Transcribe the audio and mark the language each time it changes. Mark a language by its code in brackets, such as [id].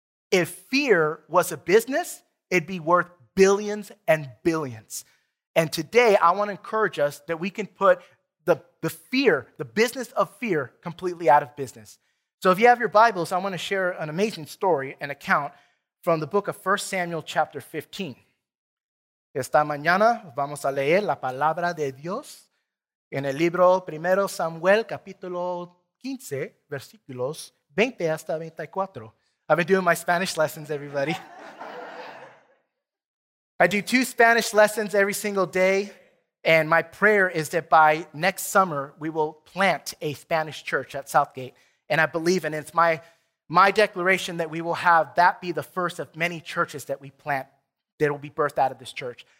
[en] If fear was a business, it'd be worth billions and billions. And today, I want to encourage us that we can put the fear, the business of fear, completely out of business. So if you have your Bibles, I want to share an amazing story, an account from the book of 1 Samuel chapter 15. [es] Esta mañana vamos a leer la palabra de Dios en el libro 1 Samuel capítulo 15, versículos 20 hasta 24. [en] I've been doing my Spanish lessons, everybody. I do 2 Spanish lessons every single day, and my prayer is that by next summer, we will plant a Spanish church at Southgate, and I believe, and it's my declaration that we will have that be the first of many churches that we plant that will be birthed out of this church.